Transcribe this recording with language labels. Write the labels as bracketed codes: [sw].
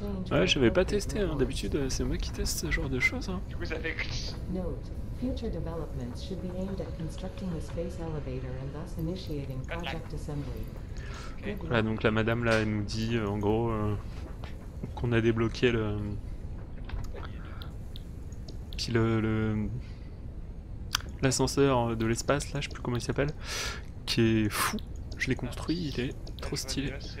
[fr] Ouais, j'avais pas testé, hein. D'habitude, c'est moi qui teste ce genre de choses. Hein. Vous avez... [en] Future developments should be aimed at constructing the space elevator and thus initiating project assembly. Okay. [fr] Là, donc la madame là, elle nous dit en gros qu'on a débloqué le puis le l'ascenseur de l'espace là, je sais plus comment il s'appelle, qui est fou. Je l'ai construit, il est trop stylé.